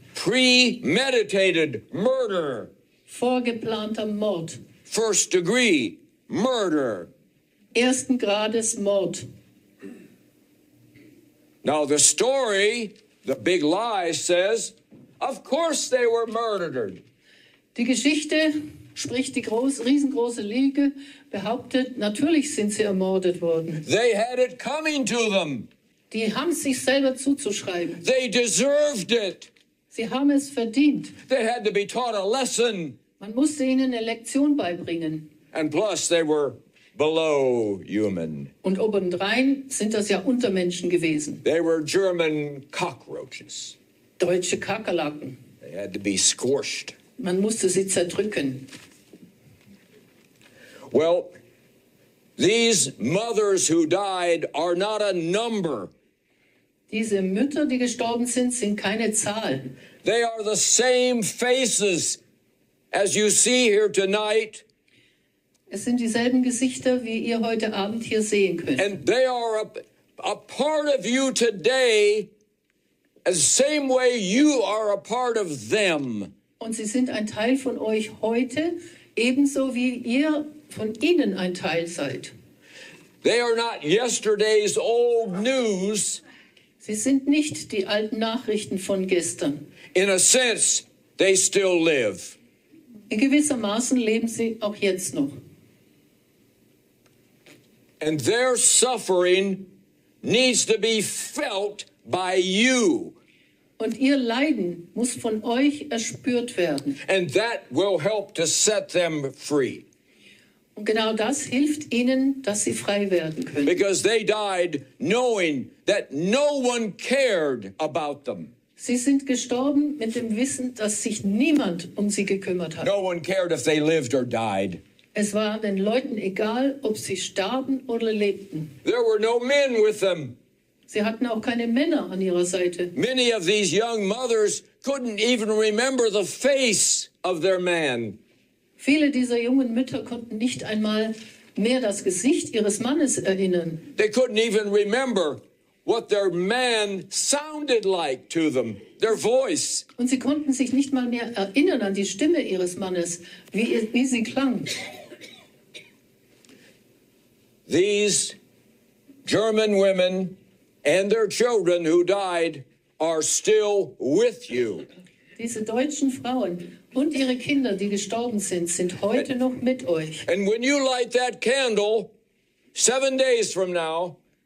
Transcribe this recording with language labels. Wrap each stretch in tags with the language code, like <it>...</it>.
<en>Premeditated murder.</en> <de>Vorgeplanter Mord.</de> <en>First degree murder.</en> <de>Ersten Grades Mord.</de> <en>Now the story, the big lie says, of course they were murdered.</en> <de>Die Geschichte, sprich die riesengroße Lüge, behauptet, natürlich sind sie ermordet worden.</de> <en>They had it coming to them.</en> <de>Die haben sich selber zuzuschreiben.</de> <en>They deserved it.</en> <de>Sie haben es verdient.</de> <en>They had to be taught a lesson.</en> <de>Man musste ihnen eine Lektion beibringen.</de> <en>And plus they were below human.</en> <de>Und obendrein sind das ja Untermenschen gewesen.</de> <en>They were German cockroaches.</en> <de>Deutsche Kakerlaken.</de> <en>They had to be scorched.</en> <de>Man musste sie zerdrücken.</de> <en>Well, these mothers who died are not a number.</en> <de>Diese Mütter, die gestorben sind, sind keine Zahl.</de> <en>They are the same faces as you see here tonight.</en> <de>Es sind dieselben Gesichter, wie ihr heute Abend hier sehen könnt.</de> <en>And they are a part of you today, the same way you are a part of them.</en> <de>Und sie sind ein Teil von euch heute, ebenso wie ihr von ihnen ein Teil seid.</de> <en>They are not yesterday's old news.</en> <de>Sie sind nicht die alten Nachrichten von gestern.</de> <en>In a sense, they still live.</en> <de>In gewissermaßen leben sie auch jetzt noch.</de> <en>And their suffering needs to be felt by you.</en> <de>Und ihr Leiden muss von euch erspürt werden.</de> <en>And that will help to set them free.</en> <de>Und genau das hilft ihnen, dass sie frei werden können.</de> <en>Because they died knowing that no one cared about them.</en> <de>Sie sind gestorben mit dem Wissen, dass sich niemand um sie gekümmert hat.</de> <en>No one cared if they lived or died.</en> <de>Es war den Leuten egal, ob sie starben oder lebten.</de> <en>There were no men with them.</en> <de>Sie hatten auch keine Männer an ihrer Seite.</de> <en>Many of these young mothers couldn't even remember the face of their man.</en> <de>Viele dieser jungen Mütter konnten nicht einmal mehr das Gesicht ihres Mannes erinnern.</de> <en>They couldn't even remember what their man sounded like to them, their voice.</en> <de>Und sie konnten sich nicht mal mehr erinnern an die Stimme ihres Mannes, wie sie klang.</de> <en>These German women and their children who died are still with you.</en> <de>Diese deutschen Frauen und ihre Kinder, die gestorben sind, sind heute noch mit euch.</de> <en>And when you light that candle, 7 days from now,</en>